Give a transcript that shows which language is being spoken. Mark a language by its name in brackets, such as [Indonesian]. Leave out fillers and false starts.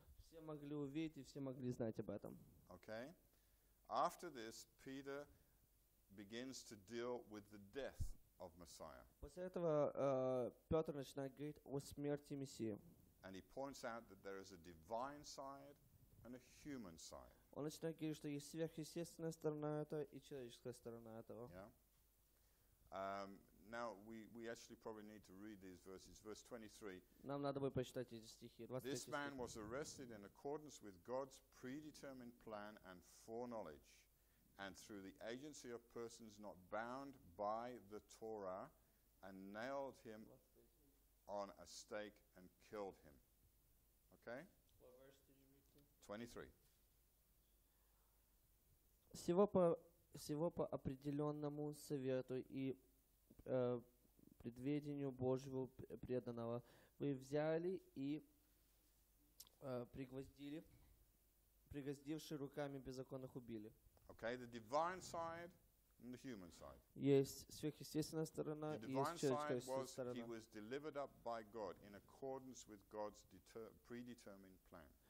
[Russian] Все могли увидеть и все могли знать об этом. [English] Okay. After this, Peter begins to deal with the death of Messiah. [Russian] После этого Петр начинает говорить о смерти Мессии. [English] And he points out that there is a divine side and a human side. [Russian] Он начинает говорить, что есть сверхъестественная сторона этого и человеческая сторона этого. [English] Yeah. Now we actually probably need to read these verses. Verse 23. [Russian] Нам надо будет прочитать эти стихи. [English] This man was arrested in accordance with God's predetermined plan and foreknowledge, and through the agency of persons not bound by the Torah, and nailed him on a stake and killed him. Okay? What verse did you read to? 23. [Russian] Всего по определенному совету и предведению Божьего преданного вы взяли и пригвоздивши руками беззаконных убили. [English] Okay, the divine side and the human side. [Russian] Есть сверхъестественная сторона и есть человеческая сторона. [English] He was delivered up by God in accordance with God's predetermined plan.